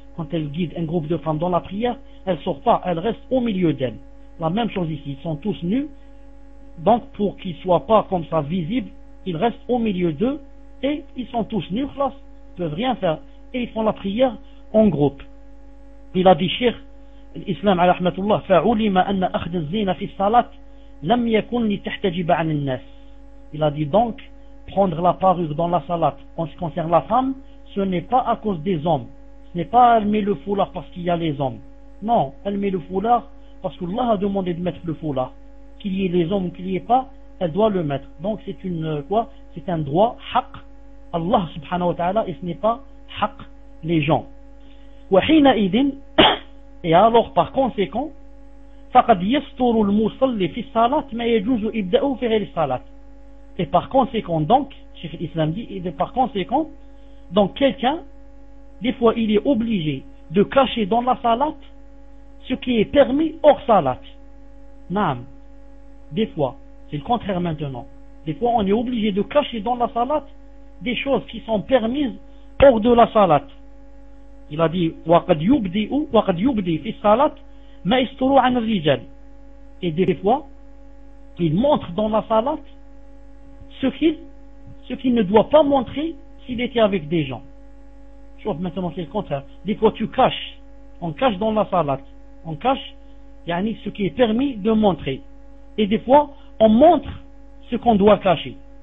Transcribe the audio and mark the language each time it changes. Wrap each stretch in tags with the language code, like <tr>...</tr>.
<fr>quand elle guide un groupe de femmes dans la prière, elle sort pas, elle reste au milieu d'elles. La même chose ici, ils sont tous nus, donc pour qu'ils soient pas comme ça visibles, ils restent au milieu d'eux et ils sont tous nus, ils peuvent rien faire et ils font la prière en groupe. Il a dit Cheikh</fr> <ar>الإسلام على رحمة الله فعلم أن أخذ الزينة في الصلاة لم يكن لتحتجب عن الناس.</ar> <fr>Il a dit donc prendre la parure dans la salat en ce qui concerne la femme, ce n'est pas à cause des hommes, ce n'est pas elle met le foulard parce qu'il y a les hommes, non, elle met le foulard parce que Allah a demandé de mettre le foulard, qu'il y ait les hommes ou qu'il n'y ait pas, elle doit le mettre. Donc c'est une quoi, c'est un droit haq Allah subhanahu wa ta'ala et ce n'est pas haq les gens.</fr> <ar>وحين إذن</ar> <fr>et alors par conséquent</fr> <ar>فَقَدْ يَسْتُرُ الْمُصَلِّ فِي الصَّلَاةِ مَا يَجُوزُ إِبْدَأُ فِي غَيْرِ الصَّلَاةِ.</ar> <fr>Et par conséquent donc, Cheikh l'Islam dit, et par conséquent donc quelqu'un des fois il est obligé de cacher dans la salat ce qui est permis hors salat. Naam, des fois c'est le contraire maintenant, des fois on est obligé de cacher dans la salat des choses qui sont permises hors de la salat. Il a dit</fr> <ar>وَقَدْ يُبْدِي فِي الصَّلَةِ مَا يَسْتُرُ عَنَ الرِّجَالِ.</ar> <fr>Et des fois il montre dans la salat ce qu'il ne doit pas montrer s'il était avec des gens. Je vois maintenant c'est le contraire, des fois tu caches, on cache dans la salat, on cache yani ce qui est permis de montrer, et des fois on montre ce qu'on doit cacher.</fr>